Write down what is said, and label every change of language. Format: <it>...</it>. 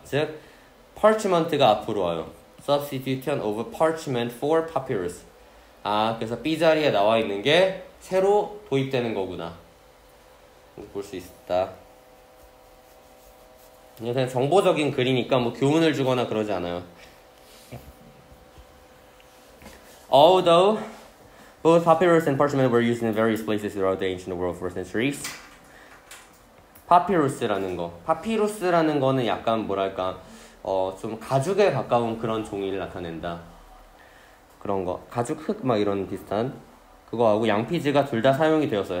<en>즉 parchment가</en> <ko>앞으로 와요.</ko> <en>substitution of parchment for papyrus.</en> <ko>아 그래서 B 자리에 나와 있는 게 새로 도입되는 거구나. 볼 수 있다. 이건 정보적인 글이니까 뭐 교훈을 주거나 그러지 않아요.</ko> <en>Although both papyrus and parchment were used in various places throughout the ancient world for centuries.</en> <ko>파피루스라는 거. 파피루스라는 거는 약간 뭐랄까 좀 가죽에 가까운 그런 종이를 나타낸다. 그런 거. 가죽 흙 막 이런 비슷한 그거하고 양피지가 둘 다 사용이 되었어요.</ko>